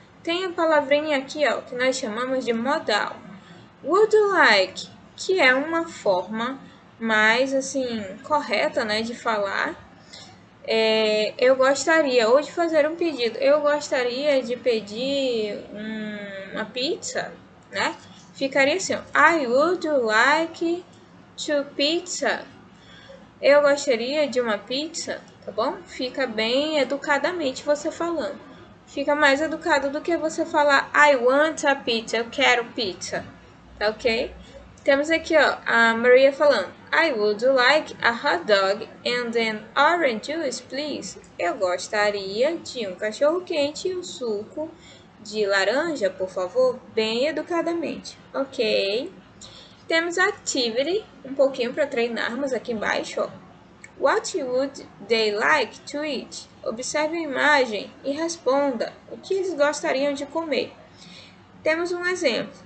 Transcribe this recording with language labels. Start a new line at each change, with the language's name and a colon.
Portuguese: Tem a palavrinha aqui, ó, que nós chamamos de modal.
English: Would like,
Portuguese: que é uma forma mais, assim, correta, né, de falar. É, eu gostaria, ou de fazer um pedido, eu gostaria de pedir uma pizza, né? Ficaria assim, ó,
English: I would like to pizza.
Portuguese: Eu gostaria de uma pizza. Tá bom? Fica bem educadamente você falando. Fica mais educado do que você falar
English: I want a pizza,
Portuguese: eu quero pizza. Tá ok? Temos aqui, ó, a Maria falando
English: I would like a hot dog and an orange juice, please.
Portuguese: Eu gostaria de um cachorro quente e um suco de laranja, por favor, bem educadamente. Ok? Temos a activity, um pouquinho para treinarmos aqui embaixo, ó.
English: What would they like to eat?
Portuguese: Observe a imagem e responda o que eles gostariam de comer. Temos um exemplo.